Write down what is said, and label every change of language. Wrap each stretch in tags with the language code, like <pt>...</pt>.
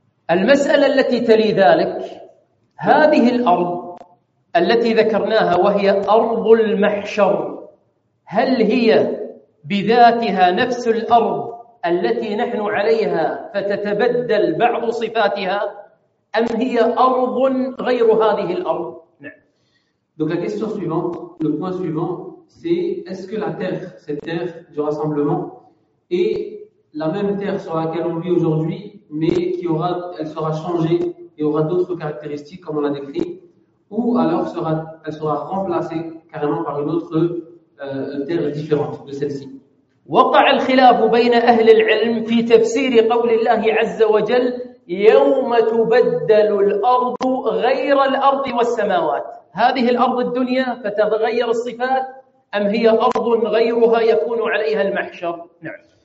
<ar>المسألة التي تلي ذلك هذه الأرض التي ذكرناها وهي أرض المحشر هل هي بذاتها نفس الأرض التي نحن عليها فتتبدل بعض صفاتها أم هي أرض غير هذه الأرض؟ نعم.</ar> <fr>Donc la question suivante, le point suivant, c'est est-ce que la terre, cette terre du rassemblement, est la même terre sur laquelle on vit aujourd'hui, mais qui aura, elle sera changée et aura d'autres caractéristiques comme on l'a décrit, ou alors elle sera remplacée carrément par une autre terre différente de celle-ci.</fr> <ar>وقع الخلاف بين أهل العلم في تفسير قول الله عز وجل يوم تبدل الأرض غير الأرض والسماوات. هذه الأرض الدنيا فتتغير الصفات أم هي أرض غيرها يكون عليها المحشر؟ نعم.</ar>